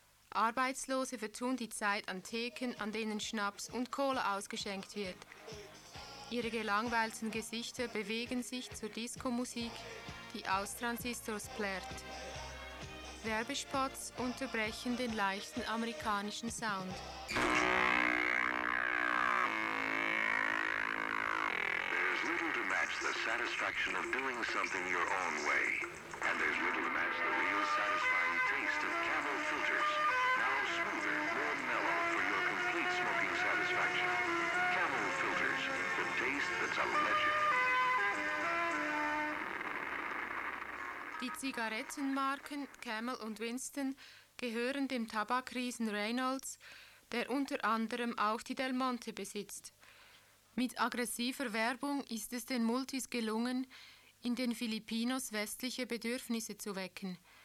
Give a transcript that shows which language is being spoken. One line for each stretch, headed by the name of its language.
German: Arbeitslose vertun die Zeit an Theken, an denen Schnaps und Cola ausgeschenkt wird. Ihre gelangweilten Gesichter bewegen sich zur Disco-Musik, die aus Transistors plärrt. Werbespots unterbrechen den leichten amerikanischen Sound.
English: The satisfaction of doing something your own way. And there's little to match the real satisfying taste of Camel filters. Now smoother, more mellow for your complete smoking satisfaction. Camel filters, the taste that's a legend.
German: Die Zigarettenmarken Camel und Winston gehören dem Tabakriesen Reynolds, der unter anderem auch die Del Monte besitzt. Mit aggressiver Werbung ist es den Multis gelungen, in den Filipinos westliche Bedürfnisse zu wecken.